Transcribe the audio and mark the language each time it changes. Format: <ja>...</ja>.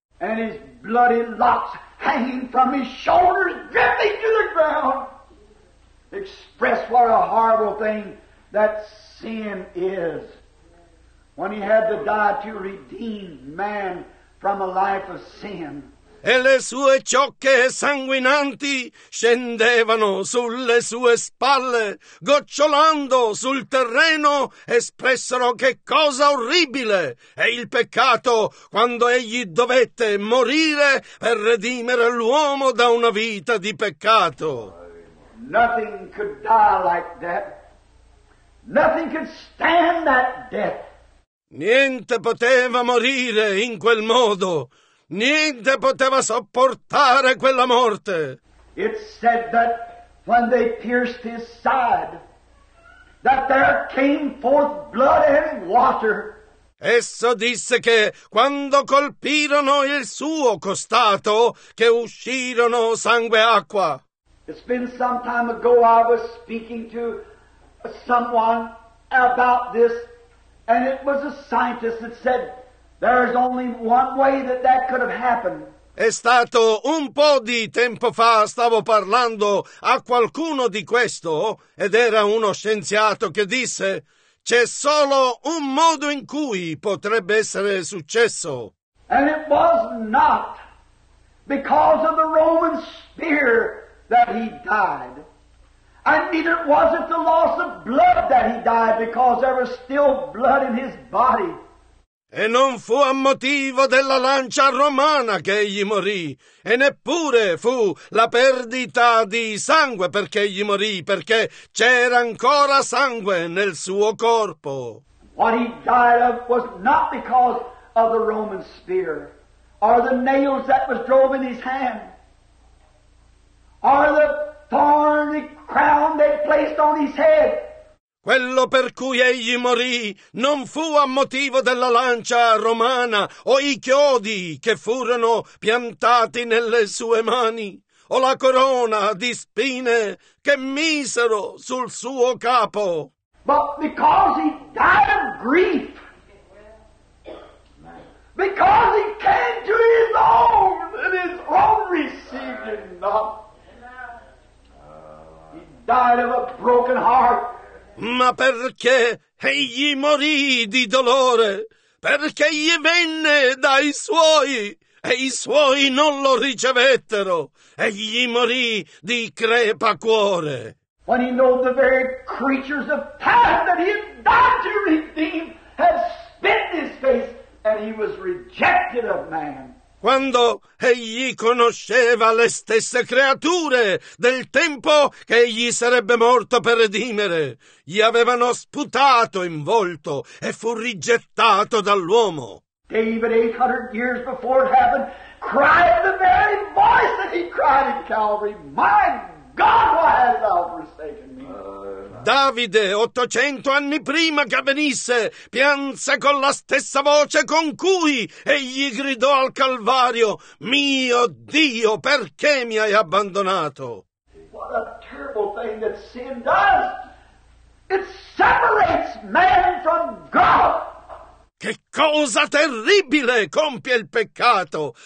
<en>And his bloody locks hanging from his shoulders, dripping to the ground, express what a horrible thing that sin is, when he had to die to redeem man from a life of sin.</en> <it>E le sue ciocche sanguinanti scendevano sulle sue spalle, gocciolando sul terreno, espressero che cosa orribile è il peccato quando egli dovette morire per redimere l'uomo da una vita di peccato.</it> <en>Nothing could die like that. Nothing could stand that death.</en> <it>Niente poteva morire in quel modo. Niente poteva sopportare quella morte.</it> <en>It said that when they pierced his side, that there came forth blood and water.</en> <it>Esso disse che quando colpirono il suo costato, che uscirono sangue e acqua.</it> <en>It's been some time ago I was speaking to someone about this, and it was a scientist that said there's only one way that could have happened.</en> <it>È stato un po' di tempo fa, stavo parlando a qualcuno di questo, ed era uno scienziato che disse c'è solo un modo in cui potrebbe essere successo.</it> <en>And it was not because of the Roman spear that he died. And neither was it the loss of blood that he died, because there was still blood in his body.</en> <it>E non fu a motivo della lancia romana che egli morì, e neppure fu la perdita di sangue perché egli morì, perché c'era ancora sangue nel suo corpo.</it> <en>What he died of was not because of the Roman spear, or the nails that was drove in his hand, or the thorny crown they placed on his head.</en> <it>Quello per cui egli morì non fu a motivo della lancia romana o i chiodi che furono piantati nelle sue mani o la corona di spine che misero sul suo capo.</it> <en>But because he died of grief, because he came to his own and his own received him not. Died of a broken heart.</en> <it>Ma perché egli morì di dolore? Perché egli venne dai suoi e i suoi non lo ricevettero. Egli morì di crepa cuore.</it> <en>When he knew the very creatures of time that he had died to redeem had spit in his face, and he was rejected of man.</en> <it>quando egli conosceva le stesse creature del tempo che egli sarebbe morto per redimere. Gli avevano sputato in volto e fu rigettato dall'uomo.</it> <en>David, 800 years before it happened, cried the very voice that he cried in Calvary, "My God, why hast thou forsaken me?"</en> <it>Davide, 800 anni prima che avvenisse, pianse con la stessa voce con cui egli gridò al Calvario, "Mio Dio, perché mi hai abbandonato?"</it> <en>What a terrible thing that sin does! It separates man from God!</en> <it>Che cosa terribile compie il peccato!</it>